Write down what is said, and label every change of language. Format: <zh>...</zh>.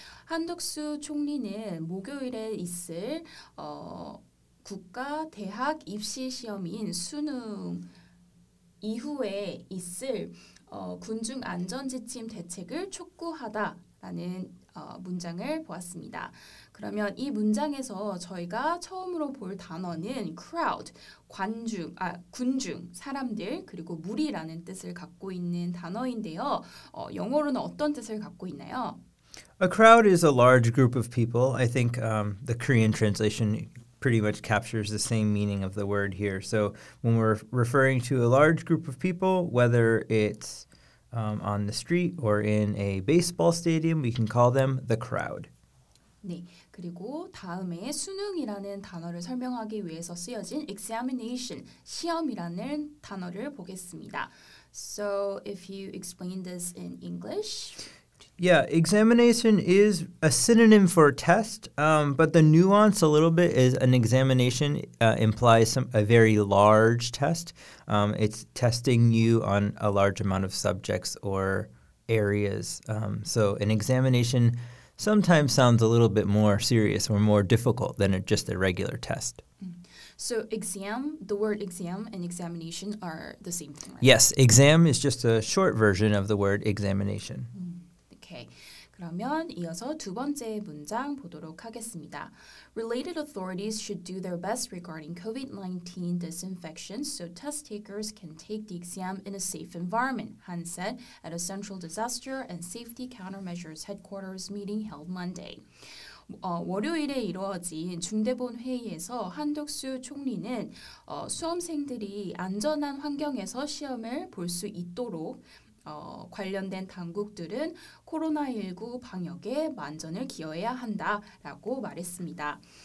<ko>한덕수 총리는 목요일에 있을 국가 대학 입시 시험인 수능 이후에 있을 군중 안전 지침 대책을 촉구하다라는 문장을 보았습니다. 그러면 이 문장에서 저희가 처음으로 볼 단어는 crowd, 군중, 사람들, 그리고 무리라는 뜻을 갖고 있는 단어인데요. 영어로는 어떤 뜻을 갖고 있나요?</ko> <en>A crowd is a large group of people. I think the Korean translation pretty much captures the same meaning of the word here. So when we're referring to a large group of people, whether it's on the street or in a baseball stadium, we can call them the crowd.</en> <ko>네, 그리고 다음에 수능이라는 단어를 설명하기 위해서 쓰여진 examination, 시험이라는 단어를 보겠습니다.</ko> <en>So if you explain this in English. Yeah, examination is a synonym for a test, but the nuance a little bit is an examination implies a very large test. It's testing you on a large amount of subjects or areas. So an examination sometimes sounds a little bit more serious or more difficult than just a regular test. So exam, the word exam and examination are the same thing, right? Yes, exam is just a short version of the word examination. Okay.</en> <ko>그러면 이어서 두 번째 문장 보도록 하겠습니다.</ko> <en>Related authorities should do their best regarding COVID-19 disinfection so test takers can take the exam in a safe environment, Han said at a Central Disaster and Safety Countermeasures Headquarters meeting held Monday.</en> <ko>월요일에 이루어진 중대본 회의에서 한덕수 총리는 수험생들이 안전한 환경에서 시험을 볼 수 있도록 관련된 당국들은 코로나19 방역에 만전을 기여해야 한다라고 말했습니다.</ko>